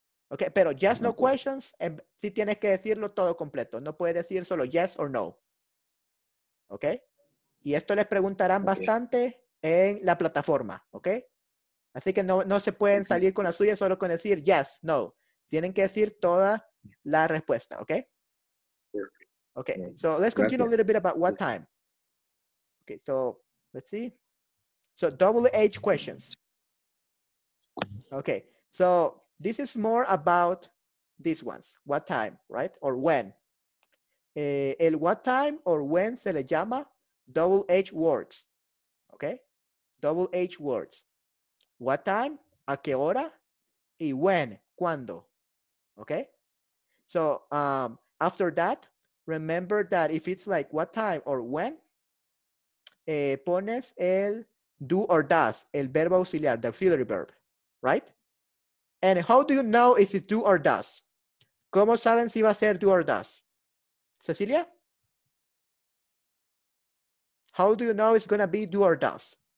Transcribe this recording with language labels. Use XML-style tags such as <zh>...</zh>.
<es>okay. Pero just no questions. Sí tienes que decirlo todo completo. No puedes decir solo</es> <en>yes or no.</en> <es>Okay. Y esto les preguntarán okay. bastante en la plataforma. Okay. Así que no se pueden okay. salir con la suya solo con decir yes, no. Tienen que decir toda la respuesta. Okay. Okay.</es> <en>So let's continue Gracias. A little bit about what time. Okay. So, let's see. So, WH questions. Okay. So, this is more about these ones. What time, right? Or when.</en> <es>El what time or when se le llama WH words. Okay?</es> <en>WH words. What time,</en> <es>a qué hora,</es> <en>y when, cuando. Okay? So, after that, remember that if it's like what time or when,</en> <es>pones el</es> <en>do or does,</en> <es>el verbo auxiliar,</es> <en>the auxiliary verb, right? And how do you know if it's do or does?</en> <es>¿Cómo saben si va a ser do or does? Cecilia?</es> <en>How do you know it's going to be do or does?</en>